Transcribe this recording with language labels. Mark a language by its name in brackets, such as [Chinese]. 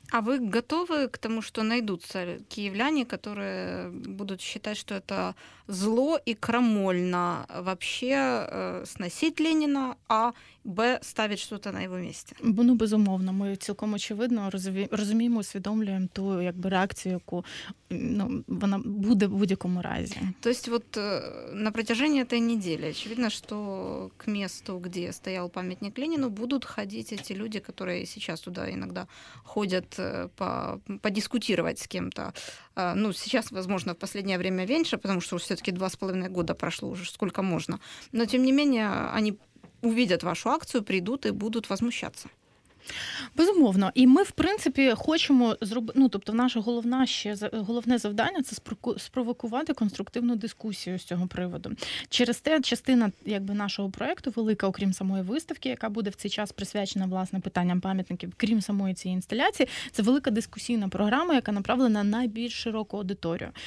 [Ukrainian] А ви готові к тому, що знайдуться київляни, які будуть вважати, що це зло і крамольно вообще сносити Леніна, а б ставити щось на його місці? Ну, безумовно, ми цілком очевидно розуміємо, усвідомлюємо ту якби реакцію, яку ну, вона буде в будь-якому разі. [Russian] Тобто вот на протяжении этой недели очевидно, что к месту, где стоял памятник Ленину, будут ходить эти люди, которые сейчас туда иногда ходят подискутировать с кем-то. Ну, сейчас, возможно, в последнее время меньше, потому что все-таки 2,5 года прошло уже, сколько можно. Но, тем не менее, они увидят вашу акцию, придут и будут возмущаться. [Ukrainian] Безумовно. І ми, в принципі, хочемо зробити, ну, тобто, наше головне завдання – це спровокувати конструктивну дискусію з цього приводу. Через те, частина якби нашого проєкту велика, окрім самої виставки, яка буде в цей час присвячена, власне, питанням пам'ятників, крім самої цієї інсталяції, це велика дискусійна програма, яка направлена на більш широку аудиторію.